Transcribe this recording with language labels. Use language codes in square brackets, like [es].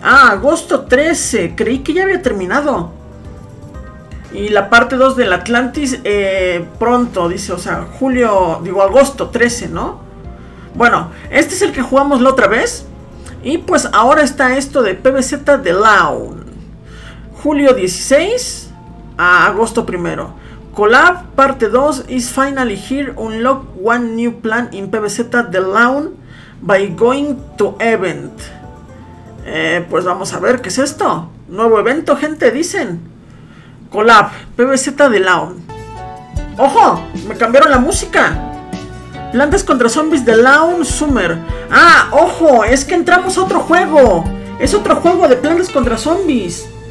[es] Agosto 13, creí que ya había terminado. Y la parte 2 del Atlantis, pronto, dice, o sea, julio, digo, agosto 13, ¿no? Bueno, este es el que jugamos la otra vez. Y pues ahora está esto de PBZ de Lawn. Julio 16 a agosto 1. [en] Collab parte 2 is finally here. Unlock one new plan in PBZ de Lawn by going to event. [es] Pues vamos a ver qué es esto. Nuevo evento, gente, dicen. Collab PBZ de Lawn. ¡Ojo! Me cambiaron la música. Plantas contra Zombies de Lawn Summer. ¡Ah! ¡Ojo! ¡Es que entramos a otro juego! ¡Es otro juego de Plantas contra Zombies!